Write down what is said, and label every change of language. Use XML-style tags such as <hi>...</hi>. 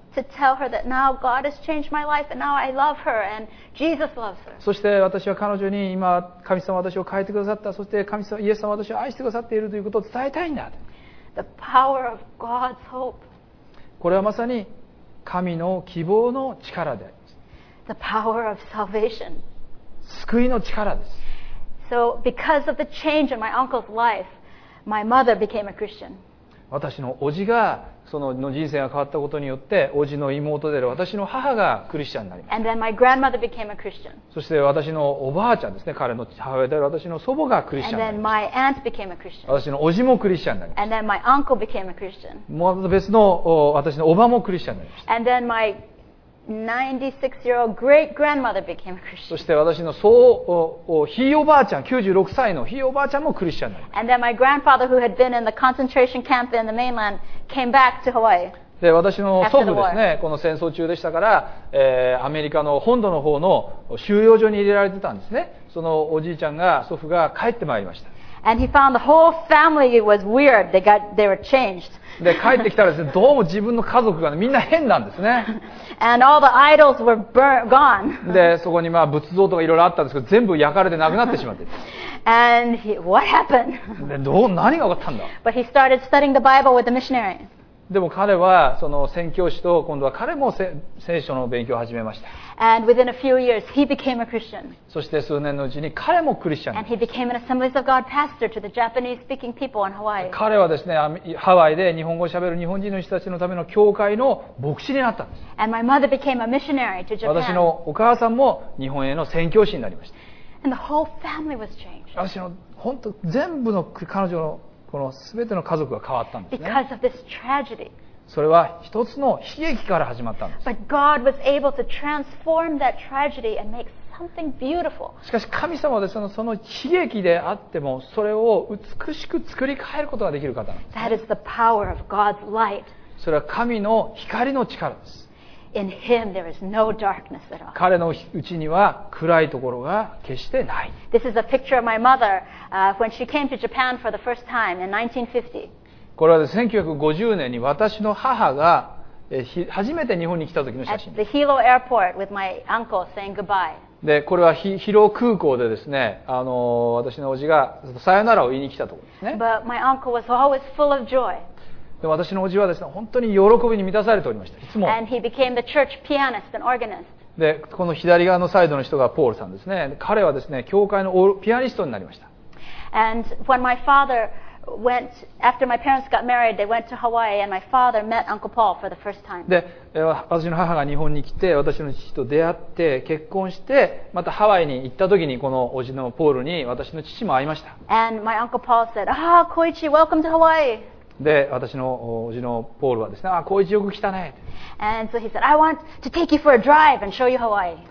<en>To tell her that now God has changed my life and now I love her and Jesus loves her.</en> <ja>そして私は彼女に今神様は私を変えてくださった。そして神様イエス様は私を愛してくださっているということを伝えたいんだ。</ja> <en>The power of God's hope.</en> <ja>これはまさに神の希望の力であります。</ja> <en>The power of salvation.</en> <ja>救いの力です。</ja> <en>So because of the change in my uncle's life, my mother became a Christian.</en> <ja>私のおじがその人生が変わったことによって、叔父の妹である私の母がクリスチャンになりました。</ja> <en>And then my grandmother became a Christian.</en> <ja>そして私のおばあちゃんですね、彼の母親である私の祖母がクリスチャンになりました。</ja> <en>And then my aunt became a Christian.</en> <ja>私の叔父もクリスチャンになりました。</ja> <en>And then my uncle became a Christian.</en> <ja>もう別の私のおばもクリスチャンになりました。</ja> <en>And then my 96-year-old great-grandmother became a Christian.</en> <ja>そして私のひいおばあちゃん、96歳のひいおばあちゃんもクリスチャンになりました。</ja> <en>And then my grandfather, who had been in the concentration camp in the mainland, came back to Hawaii.</en> <ja>で私の祖父ですね、この戦争中でしたから、アメリカの本土の方の収容所に入れられてたんですね。そのおじいちゃんが祖父が帰ってまいりました。</ja> <en>And he found the whole family was weird. They were changed.</en> <ja>で帰ってきたらですね、どうも自分の家族が、ね、みんな変なんですね。</ja> <en>And all the idols were gone.</en> <ja>でそこにまあ仏像とかいろいろあったんですけど、全部焼かれてなくなってしまって。</ja> <en>And what happened?</en> <ja>で何が起こったんだ。</ja> <en>But he started studying the Bible with the missionary.</en> <ja>でも彼はその宣教師と今度は彼も聖書の勉強を始めました。</ja> <en>And within a few years, he became a Christian.</en> <ja>そして数年のうちに彼もクリスチャンに。</ja> <en>And he became an Assemblies of God pastor to the Japanese-speaking people in Hawaii.</en> <ja>彼はですね、ハワイで日本語を喋る日本人の人たちのための教会の牧師になったんです。</ja> <en>And my mother became a missionary to Japan.</en> <ja>私のお母さんも日本への宣教師になりました。</ja> <en>And the whole family was changed.</en> <ja>私の本当全部の彼女のこの全ての家族が変わったんですね。</ja> <en>Because of this tragedy.</en> <ja>それは一つの悲劇から始まったんです。</ja> <en>But God was able to transform that tragedy and make something beautiful.</en> <ja>しかし神様はその悲劇であってもそれを美しく作り変えることができる方なんです、ね。</ja> <en>That is the power of God's light.</en> <ja>それは神の光の力です。</ja> <en>In Him there is no darkness at all.</en> <ja>彼のうちには暗いところが決してない。</ja> <en>This is a picture of my mother when she came to Japan for the first time in 1950.</en> <ja>これは1950年に私の母が初めて日本に来た時の写真です。</ja> <en>At the Hilo Airport with my uncle saying goodbye.</en> <ja>で、これはヒロ空港でですね、私のおじがさよならを言いに来たところですね。</ja> <en>But my uncle was always full of joy.</en> <ja>で、私のおじはですね、本当に喜びに満たされておりました。いつも。</ja> <en>And he became the church pianist and organist.</en> <ja>で、この左側のサイドの人がポールさんですね。彼はですね、教会のピアニストになりました。</ja> <en>And when my father went, after my parents got married, they went to Hawaii, and my father met Uncle Paul for the first time.</en> <ja>で、私の母が日本に来て、私の父と出会って、結婚して、またハワイに行った時に、このおじのポールに私の父も会いました。</ja> <en>And my Uncle Paul said, Ah, Koichi, welcome to Hawaii.</en> <ja>で、私のおじのポールはですね、あ、Koichi よく来たね。</ja> <en>And so he said, I want to take you for a drive and show you Hawaii.</en>